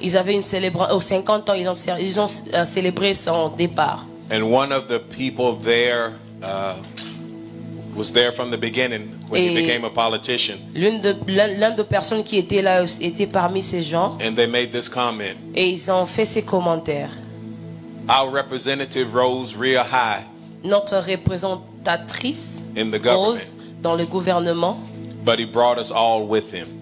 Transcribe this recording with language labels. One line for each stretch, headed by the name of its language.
French: Ils avaient une célébration. Aux 50 ans, ils ont célébré son départ.
English: And one of the people there was there from the beginning when he became a politician.
French: L'un de personnes qui était là était parmi ces gens.
English: And they made this comment.
French: Et ils ont fait ces commentaires.
English: Our representative rose real high.
French: Notre représentatrice
English: in the government.
French: Rose dans le gouvernement.
English: But he brought us all with him.